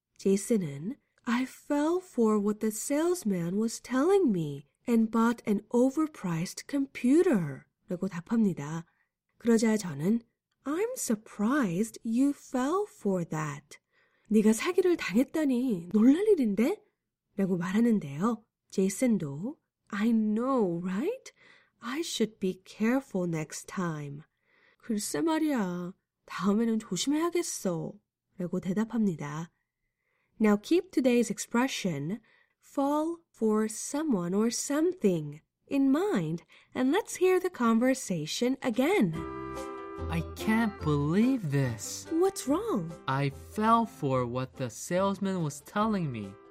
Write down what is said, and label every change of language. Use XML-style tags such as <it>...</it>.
<en>제이슨은 I fell for what the salesman was telling me and bought an overpriced computer.</en> <ko>라고 답합니다. 그러자 저는</ko> <en>I'm surprised you fell for that.</en> <ko>네가 사기를 당했다니 놀랄 일인데? 라고 말하는데요. 제이슨도</ko> <en>I know, right? I should be careful next time.</en> <ko>글쎄 말이야, 다음에는 조심해야겠어. 라고 대답합니다.</ko> <en>Now keep today's expression, fall for someone or something, in mind, and let's hear the conversation again. I can't believe this. What's wrong? I fell for what the salesman was telling me.</en>